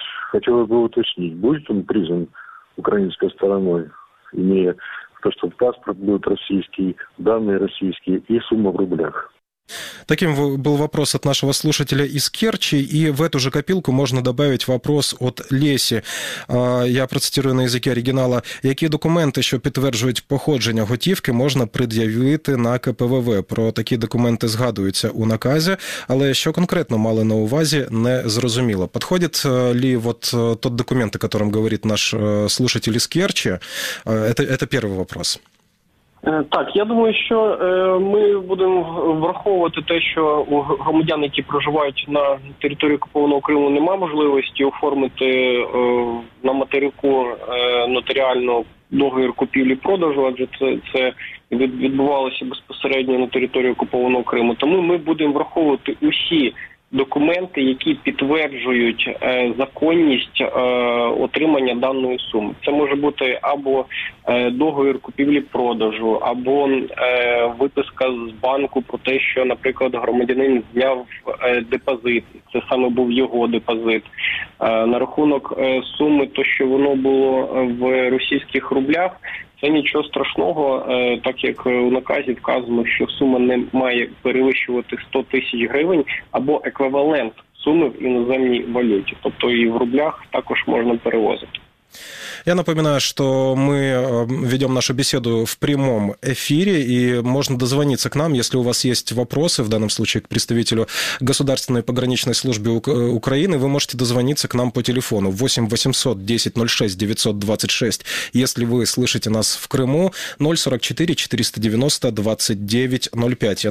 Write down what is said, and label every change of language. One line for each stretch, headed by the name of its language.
Russian: Хотелось бы уточнить, будет он признан украинской стороной, имея то, что паспорт будет российский, данные российские и сумма в рублях. Таким был вопрос от нашего слушателя из Керчи, и в эту же копилку можно добавить вопрос от Леси. Я процитирую на языке оригинала.
Ukrainian: Які документи, що підтверджують походження готівки, можна пред'явити на КПВВ? Про такі документи згадуються у наказі, але що конкретно мали на увазі, не зрозуміло.
Russian: Підходить ли вот тот документ, о котором говорит наш слушатель из Керчи? Это первый вопрос.
Ukrainian: Так, я думаю, що ми будемо враховувати те, що у громадян, які проживають на території окупованого Криму, немає можливості оформити на материку нотаріально договір купівлі-продажу, адже це відбувалося безпосередньо на території окупованого Криму. Тому ми будемо враховувати усі документи, які підтверджують законність отримання даної суми. Це може бути або договір купівлі-продажу, або виписка з банку про те, що, наприклад, громадянин зняв депозит, це саме був його депозит, на рахунок суми, то, що воно було в російських рублях. Це нічого страшного, так як у наказі вказано, що сума не має перевищувати 100 тисяч гривень або еквівалент суми в іноземній валюті. Тобто і в рублях також можна перевозити.
Russian: Я напоминаю, что мы ведем нашу беседу в прямом эфире, и можно дозвониться к нам, если у вас есть вопросы, в данном случае к представителю Государственной пограничной службы Украины, вы можете дозвониться к нам по телефону 8 800 10 06 926, если вы слышите нас в Крыму, 044 490 29 05.